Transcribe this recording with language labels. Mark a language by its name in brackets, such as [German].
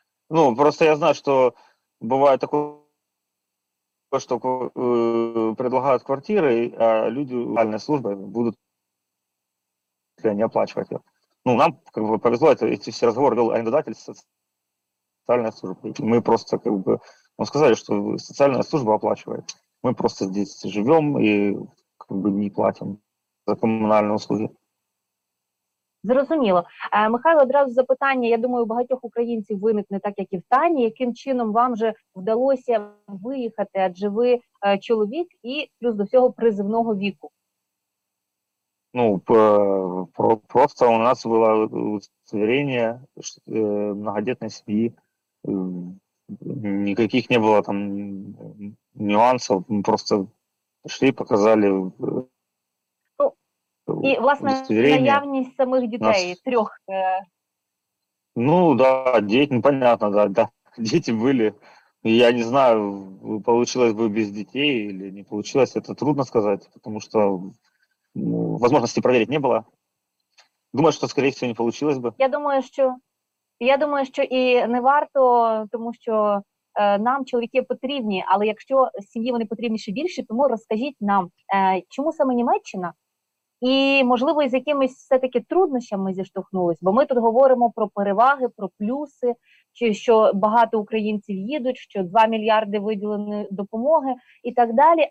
[Russian] Ну, просто я знаю, что бывает такое, что предлагают квартиры, а люди социальной службы будут не оплачивать ее. Ну, нам как бы повезло, эти все разговоры вел арендодатель социальной службы. Мы просто как бы сказали, что социальная служба оплачивает. Мы просто здесь живем и как бы не платим за коммунальные услуги. [Ukrainian] Зрозуміло. Михайло, одразу запитання, я думаю, у багатьох українців виникне, так як і в Тані, яким чином вам же вдалося виїхати, адже ви чоловік і плюс до всього призовного віку? Ну, просто у нас було удостоверення многодітної сім'ї, ніяких не було там нюансів, просто пішли, показали. Ну, і, власне, наявність самих дітей, нас... трьох. Ну, да, діти, ну, понятно, да, да. Діти були. [Russian] Я не знаю, получилось бы без детей или не получилось, это трудно сказать, потому что ну, возможности проверить не было. Думаю, что, скорее всего, не получилось бы. [Ukrainian] Я думаю, що і не варто, тому що нам чоловіки потрібні, але якщо сім'ї вони потрібні ще більше, тому розкажіть нам, чому саме Німеччина? І, можливо, з якимись все-таки труднощами зіштовхнулись, бо ми тут говоримо про переваги, про плюси, чи що багато українців їдуть, що 2 мільярди виділені допомоги і так далі.